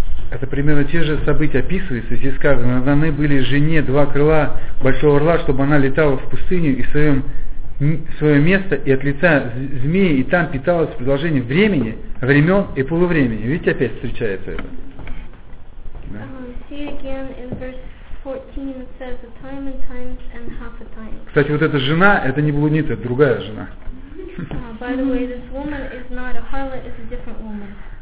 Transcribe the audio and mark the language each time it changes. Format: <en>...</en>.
<ru>Это примерно те же события описываются. Здесь сказано, даны были жене два крыла большого орла, чтобы она летала в пустыню и свое место и от лица змеи, и там питалась продолжение времени, времен и полувремени. Видите, опять встречается это.</ru> <en>See again in verse 14 it says a time and times and half a time.</en> <ru>Кстати, вот эта жена, это не блудница, это другая жена.</ru> <en>By the way, this woman is not a harlot, it's a different woman.</en>